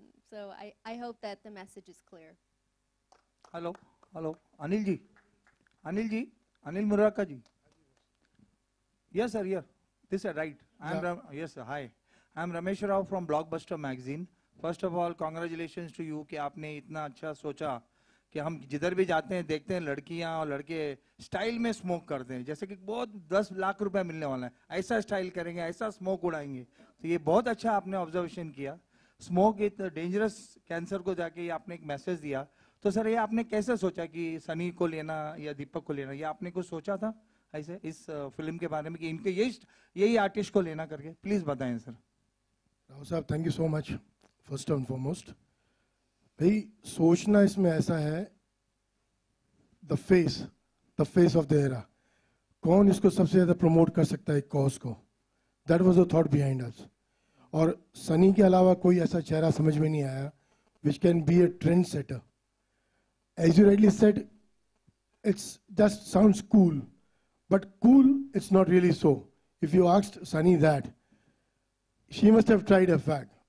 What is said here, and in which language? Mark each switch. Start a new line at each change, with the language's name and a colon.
English: So I hope that the message is clear. Hello. Hello. Anil ji. Anil ji. Anil Muraka ji. Yes, sir. Yeah. This is right. Yeah. Yes, sir. Hi. I'm Ramesh Rao from Blockbuster Magazine. First of all, congratulations to you
Hindi: कि आपने इतना अच्छा सोचा कि हम जिधर भी जाते हैं देखते हैं लड़कियां और लड़के स्टाइल में स्मोक करते हैं जैसे कि बहुत 10 लाख रुपए मिलने वाला है ऐसा स्टाइल करेंगे ऐसा स्मोक उड़ाएंगे तो ये बहुत अच्छा आपने ऑब्जर्वेशन किया स्मोक एक डेंजरस कैंसर को जाके ये आपने एक मैसेज दिया तो सर ये आपने कैसे सोचा कि सनी को लेना या दीपक को लेना ये आपने कुछ सोचा था ऐसे इस फिल्म के बारे में कि इनके यही आर्टिस्ट को लेना करके प्लीज बताएं सर राहुल साहब
English: thank you so much first and foremost
Hindi: भाई सोचना इसमें ऐसा है
English: the face of the era.
Hindi: कौन इसको सबसे ज़्यादा प्रमोट कर सकता है एक कॉज को?
English: That was the thought behind us.
Hindi: और सनी के अलावा कोई ऐसा चेहरा समझ में नहीं आया
English: which can be a trend setter. As you rightly said, it's just sounds cool, but cool it's not really so. If you asked Sunny that, she must have tried a fag.